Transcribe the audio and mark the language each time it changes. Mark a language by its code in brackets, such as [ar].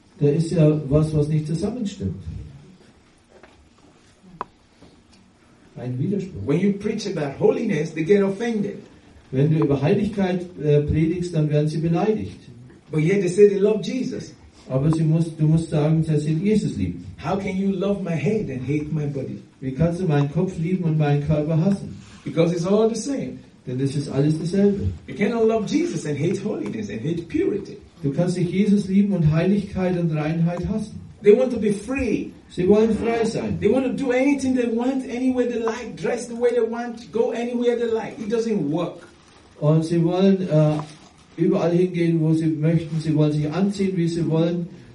[de] Da ist ja was, was nicht zusammenstimmt. Ein Widerspruch. [en] When you preach about holiness, they get offended. [de] Wenn du über Heiligkeit predigst, dann werden sie beleidigt. [en] But yet they say they love Jesus. [de] Aber sie muss, du musst sagen, dass sie Jesus lieben. [en] How can you love my head and hate my body? [de] Wie kannst du meinen Kopf lieben und meinen Körper hassen? [en] Because it's all the same. [de] Denn es ist alles dasselbe. [en] You cannot love Jesus and hate holiness and hate purity. [de] Du kannst nicht Jesus lieben und Heiligkeit und Reinheit hassen. [en] They want to be free. [de] Sie wollen frei sein. [en] They want to do anything they want, anywhere they like, dress the way they want, go anywhere they like. It doesn't work. [de] Und sie wollen überall hingehen, wo sie möchten. Sie wollen sich anziehen, wie sie wollen.